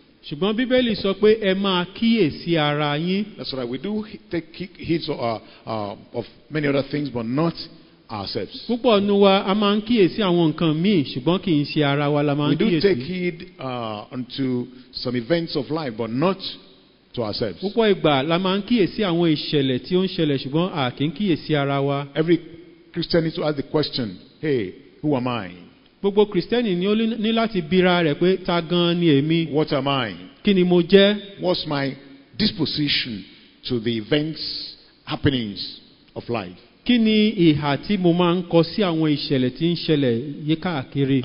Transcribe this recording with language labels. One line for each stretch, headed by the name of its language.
Yoruba: Ṣùgbọ́n Bíbélì sọ pé ẹ máa kíyèsí ara yín.
English: That's right. We do take heed of many other things, but not ourselves.
Yoruba: Púpọ̀ nínú wa a máa ń kíyèsí àwọn nǹkan míì, ṣùgbọ́n kì í ṣe ara wa la máa ń kíyèsí.
English: We do take heed unto some events of life, but not to ourselves.
Yoruba: Púpọ̀ ìgbà la máa ń kíyèsí àwọn ìṣẹ̀lẹ̀ tí ó ń ṣẹlẹ̀, ṣùgbọ́n a kì í kíyèsí ara wa.
English: Every Christian needs to ask the question, hey, who am I?
Yoruba: Gbogbo Kristẹni ní láti bíra rẹ̀ pé ta gan ni èmi.
English: What am I?
Yoruba: Kí ni mo jẹ́?
English: What's my disposition to the events, happenings of life?
Yoruba: Kí ni ìhà tí mo máa ń kọ sí àwọn ìṣẹ̀lẹ̀ tí ń ṣẹlẹ̀ yíkáàkiri?